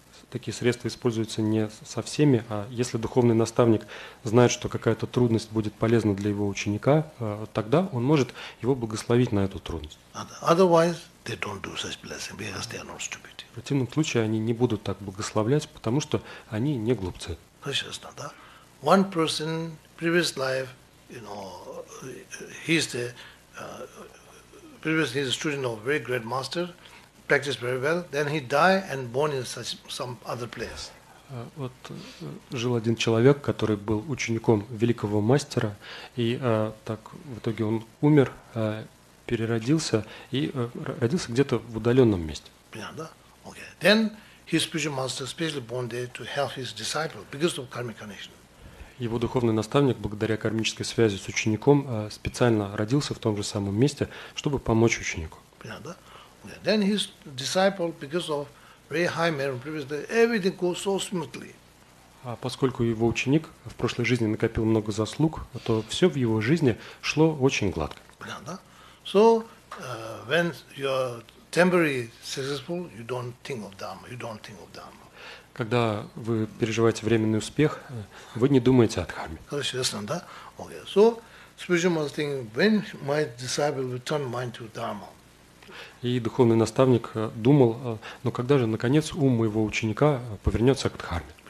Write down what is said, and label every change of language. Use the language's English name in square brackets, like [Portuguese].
[Russian] Такие средства используются не со всеми, а если духовный наставник знает, что какая-то трудность будет полезна для его ученика, тогда он может его благословить на эту трудность. В противном случае они не будут так благословлять, потому что они не глупцы. [English] One person, previous life, you know, he's the previously a student of a very great master. Practice very well, then he die and born in some other place. [Russian] Вот жил один человек, который был учеником великого мастера, и так в итоге он умер, переродился и родился где-то в удаленном месте. Понятно? Okay. [English] Then his spiritual master specially born there to help his disciple because of karmic connection. [Russian] Его духовный наставник, благодаря кармической связи с учеником, специально родился в том же самом месте, чтобы помочь ученику. Понятно? [English] Then his disciple, because of very high merit previously, everything goes so smoothly. [Russian] А поскольку его ученик в прошлой жизни накопил много заслуг, то все в его жизни шло очень гладко. Понятно? [English] So when you are temporary successful, you don't think of dharma. You don't think of dharma. [Russian] Когда вы переживаете временный успех, вы не думаете о дхарме. Хорошо, ясно, да? [English] Okay. So spiritual master thinking, when my disciple will turn mind to dharma. [Russian] И духовный наставник думал, но когда же, наконец, ум моего ученика повернется к дхарме?